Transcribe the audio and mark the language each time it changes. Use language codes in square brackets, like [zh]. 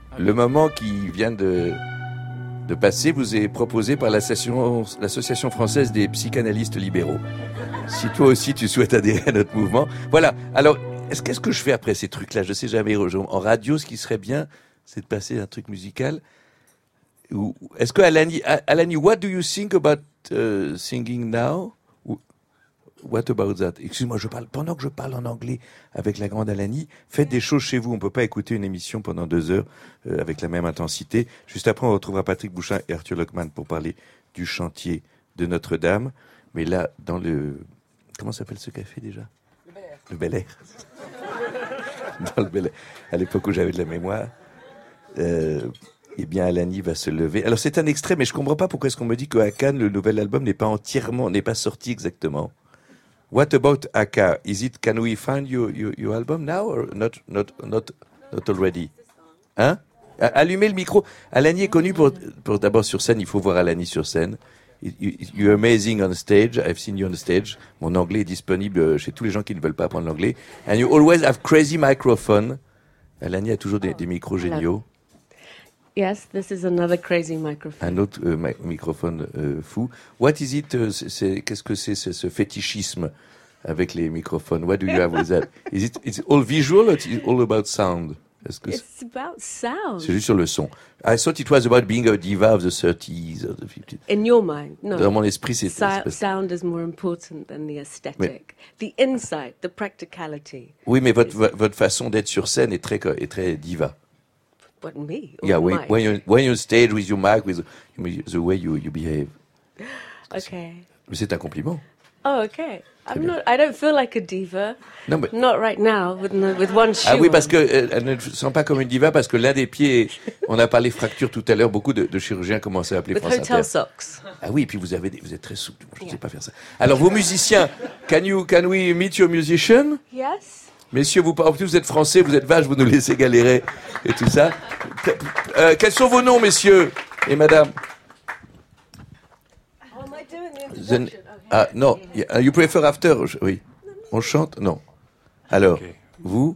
[fr] Le moment qui vient de passer vous est proposé par l'Association française des psychanalystes libéraux. Si toi aussi tu souhaites adhérer à notre mouvement. Voilà, alors qu'est-ce que je fais après ces trucs-là? Je ne sais jamais. En radio, ce qui serait bien, c'est de passer un truc musical. Ou, est-ce que [en] Alani, what do you think about singing now? What about that? [fr] Excuse-moi, pendant que je parle en anglais avec la grande Alani, faites des choses chez vous. On ne peut pas écouter une émission pendant deux heures avec la même intensité. Juste après, on retrouvera Patrick Bouchain et Arthur Lockman pour parler du chantier de Notre-Dame. Mais là, dans le... Comment s'appelle ce café déjà? Le Bel Air. Le Bel Air. Dans le Bel Air. À l'époque où j'avais de la mémoire. Eh bien, Alani va se lever. Alors, c'est un extrait, mais je ne comprends pas pourquoi est-ce qu'on me dit qu'à Cannes, le nouvel album n'est pas sorti exactement. [en] What about Aka? Is it, can we find your album now or not already? [fr] Hein? Allumez le micro. Alani est connu pour d'abord sur scène. Il faut voir Alani sur scène. [en] You're amazing on stage. I've seen you on stage. [fr] Mon anglais est disponible chez tous les gens qui ne veulent pas apprendre l'anglais. [en] And you always have crazy microphone. [fr] Alani a toujours des micros géniaux. [en] Yes, this is another crazy microphone. [fr] Un autre microphone fou. [en] What is it? [fr] Qu'est-ce que c'est ce fétichisme avec les microphones? [en] What do you have with that? Is it? It's all visual or it's all about sound? It's about sound. [fr] C'est juste sur le son. [en] I thought it was about being a diva of the 30s or the 50s. In your mind, no. [fr] Dans mon esprit, c'est [en] sound is more important than the aesthetic, the insight, the practicality. [fr] Oui, mais votre façon d'être sur scène est très diva. [en] But me, yeah, when you stage with your mic, with the way you behave. Okay. [fr] Mais c'est un compliment. [en] Oh, okay. I don't feel like a diva. [fr] Non, mais... [en] Not right now, with one shoe. [fr] Ah oui, parce que elle ne se sent pas comme une diva parce que l'un des pieds. On a parlé fracture tout à l'heure. Beaucoup de chirurgiens commencent à appeler [en] France Inter. With hotel socks. [fr] Ah oui, et puis vous êtes très souple. Je ne sais pas faire ça. Alors, vos musiciens, [en] can we meet your musician? Yes. [fr] Messieurs, vous êtes français, vous êtes vache, vous nous laissez galérer et tout ça. Quels sont vos noms, messieurs et madame? [en] You prefer after, [fr] oui. On chante, non. Alors, okay. Vous?